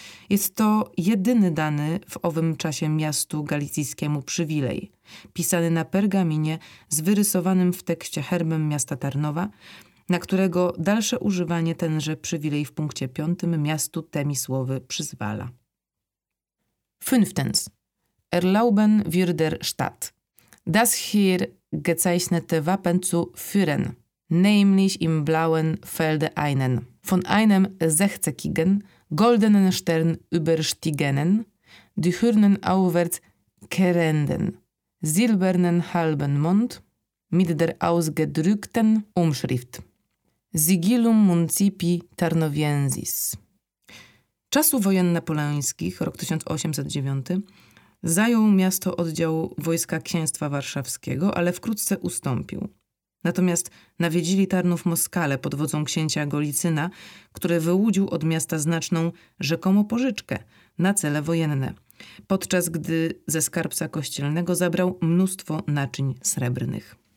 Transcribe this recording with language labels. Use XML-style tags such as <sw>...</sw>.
<pl>Jest to jedyny dany w owym czasie miastu galicyjskiemu przywilej, pisany na pergaminie z wyrysowanym w tekście herbem miasta Tarnowa, na którego dalsze używanie tenże przywilej w punkcie 5 miastu temi słowy przyzwala.</pl> <de>Fünftens. Erlauben wir der Stadt, das hier gezeichnete Wappen zu führen, nämlich im blauen Felde einen, von einem sechzeckigen, goldenen Stern überstiegenen, die Hörnen aufwärts kehrenden, silbernen halben Mond mit der ausgedrückten Umschrift.</de> <la>Sigillum Municipi Tarnowiensis.</la> <pl>Czasu wojen napoleońskich, rok 1809, zajął miasto oddział wojska księstwa warszawskiego, ale wkrótce ustąpił. Natomiast nawiedzili Tarnów Moskale pod wodzą księcia Golicyna, który wyłudził od miasta znaczną rzekomo pożyczkę na cele wojenne, podczas gdy ze skarbca kościelnego zabrał mnóstwo naczyń srebrnych.</pl>